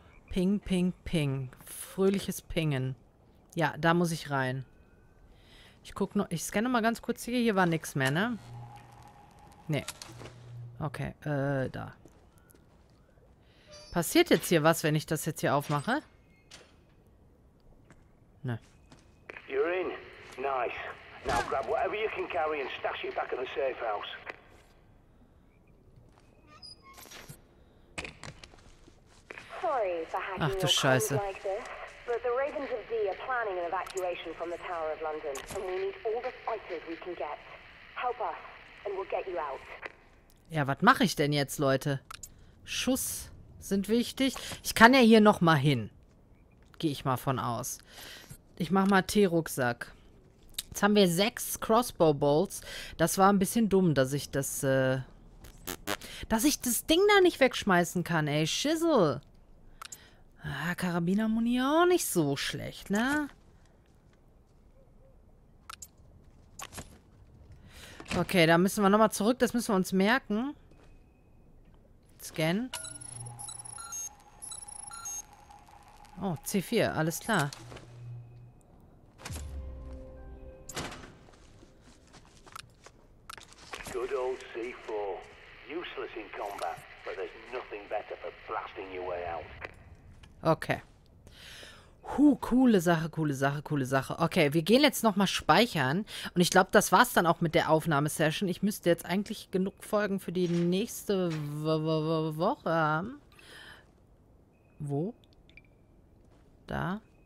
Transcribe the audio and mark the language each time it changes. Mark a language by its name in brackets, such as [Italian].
[German] Ping, ping, ping. Fröhliches Pingen. Ja, da muss ich rein. Ich gucke noch. Ich scanne mal ganz kurz hier. Hier war nichts mehr, ne? Nee. Okay, da. Passiert jetzt hier was, wenn ich das jetzt hier aufmache? Ne. [English] You're in. Nice. Now grab whatever you can carry and stash it back in the safe house. Sorry for having your comms like this. But the Ravens of D are planning an evacuation from the Tower of London, and we need all the fighters we can get. Help us. and we'll get you out. [German] Ja, was mache ich denn jetzt, Leute? Schuss sind wichtig. Ich kann ja hier nochmal hin. Gehe ich mal von aus. Ich mache mal T-Rucksack. Jetzt haben wir 6 Crossbow-Bolts. Das war ein bisschen dumm, dass ich das, Ding da nicht wegschmeißen kann, ey. Schissel. Ah, Karabiner-Muni auch nicht so schlecht, ne? Okay, da müssen wir nochmal zurück. Das müssen wir uns merken. Scan. Oh, C4. Alles klar. [English] Good old C4. Useless in combat, but there's nothing better for blasting your way out. [German] Okay. Huh, coole Sache, coole Sache, coole Sache. Okay, wir gehen jetzt nochmal speichern. Und ich glaube, das war's dann auch mit der Aufnahmesession. Ich müsste jetzt eigentlich genug Folgen für die nächste Woche haben. Wo? Da?